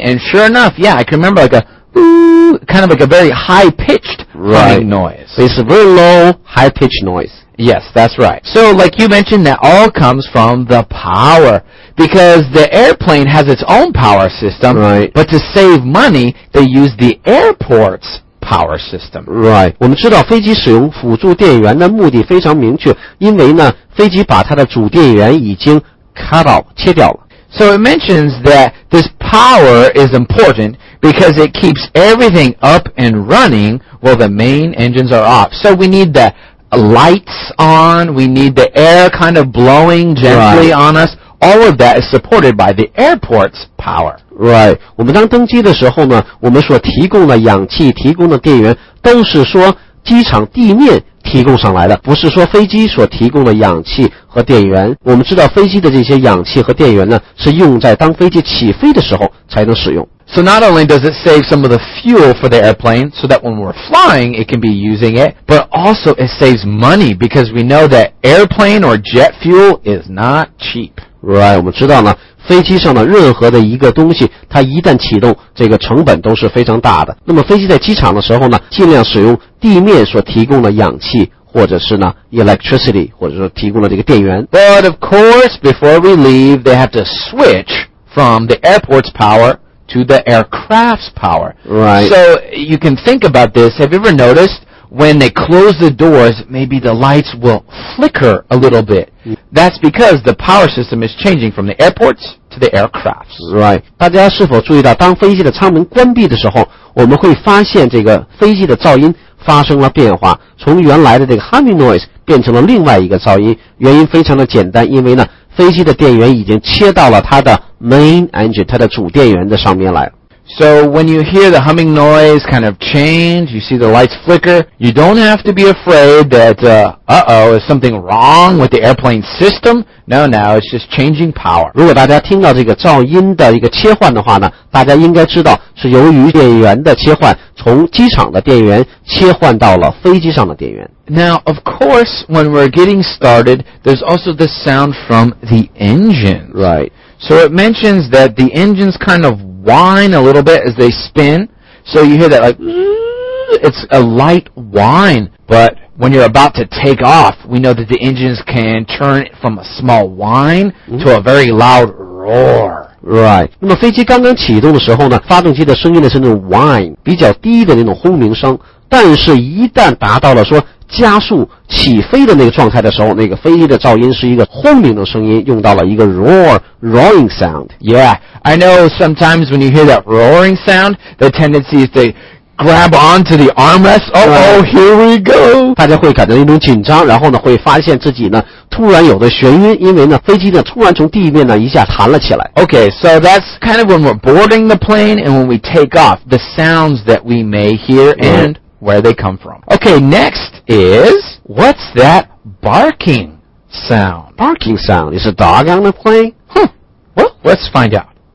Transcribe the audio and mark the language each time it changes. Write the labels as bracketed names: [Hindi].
[English] And sure enough, yeah, I can remember like a kind of like a very high-pitched humming noise. It's a very low, high-pitched noise. Yes, that's right. So, like you mentioned, that all comes from the power. Because the airplane has its own power system. Right. But to save money, they use the airport's power system. Right. [Chinese] 我们知道飞机使用辅助电源的目的非常明确，因为呢，飞机把它的主电源已经 cut out, 切掉了。 [English] So it mentions that this power is important because it keeps everything up and running while the main engines are off. So we need thatlights on, we need the air kind of blowing gently right. on us. All of that is supported by the airport's power. Right. [Chinese] 我们当登机的时候呢，我们所提供的氧气、提供的电源都是说机场地面提供上来的，不是说飞机所提供的氧气和电源。我们知道飞机的这些氧气和电源呢，是用在当飞机起飞的时候才能使用。 [English] So not only does it save some of the fuel for the airplane so that when we're flying it can be using it, but also it saves money because we know that airplane or jet fuel is not cheap. [Chinese] Right, 我们知道呢，飞机上的任何的一个东西，它一旦启动，这个成本都是非常大的。那么飞机在机场的时候呢，尽量使用地面所提供的氧气，或者是呢 electricity， 或者说提供的这个电源。 [English] But of course, before we leave, they have to switch from the airport's power to the aircraft's power. Right. So you can think about this. Have you ever noticed when they close the doors, maybe the lights will flicker a little bit? That's because the power system is changing from the airports to the aircrafts. Right. [Chinese] 大家是否注意到，当飞机的舱门关闭的时候，我们会发现这个飞机的噪音发生了变化，从原来的这个 humming noise 变成了另外一个噪音。原因非常的简单，因为呢，飞机的电源已经切到了它的 main engine， 它的主电源的上面来。 [English] So when you hear the humming noise kind of change, you see the lights flicker, you don't have to be afraid that, is something wrong with the airplane system? No, it's just changing power. [Chinese] 如果大家听到这个噪音的一个切换的话呢，大家应该知道是由于电源的切换，从机场的电源切换到了飞机上的电源。 [English] Now, of course, when we're getting started, there's also the sound from the engine. Right. So it mentions that the engines kind of whine a little bit as they spin. So you hear that, like, it's a light whine. But when you're about to take off, we know that the engines can turn from a small whine to a very loud roar. Right. [Chinese] 那么飞机刚刚启动的时候呢，发动机的声音呢是那种 whine， 比较低的那种轰鸣声。但是一旦达到了说加速起飞的那个状态的时候，那个飞机的噪音是一个轰鸣的声音，用到了一个 roaring sound. [English] Yeah, I know sometimes when you hear that roaring sound, the tendency is to grab onto the armrest. Oh, here we go. [Chinese] 大家会感到一种紧张，然后呢会发现自己呢突然有的眩晕，因为呢飞机呢突然从地面呢一下弹了起来。 [English] Okay, so that's kind of when we're boarding the plane and when we take off, the sounds that we may hear and where they come from. Okay, next is, what's that barking sound? Barking sound? Is a dog on the plane? Well, let's find out.